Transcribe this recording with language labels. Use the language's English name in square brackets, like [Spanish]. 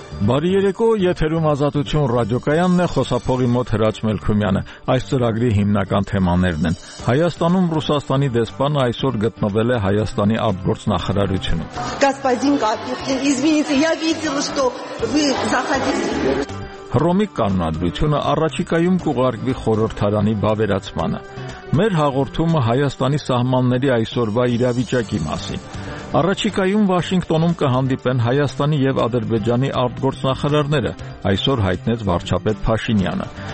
[Armenian] Բարի երեկո, եթերում ազատություն ռադիոկայանն է, խոսափողի մոտ Հրաչ Մելքումյանը։ Այս ծրագրի հիմնական թեմաներն են. Հայաստանում Ռուսաստանի դեսպանը այսօր գտնվել է Հայաստանի արտգործնախարարությունում։ [Russian] Господин Капитан, извините, я видел, что вы заходите. [Armenian] Հռոմի կանոնադրությունը առաջիկայում կուղարկվի խորհրդարանի բավերացմանը։ Մեր հաղորդումը Հայաստանի սահմանների այսօրվա իրավիճակի մասին։ Առաջիկայում Վաշինգտոնում կհանդիպեն Հայաստանի եւ Ադրբեջանի արտգործնախարարները, այսօր հայտնեց վարչապետ Փաշինյանը։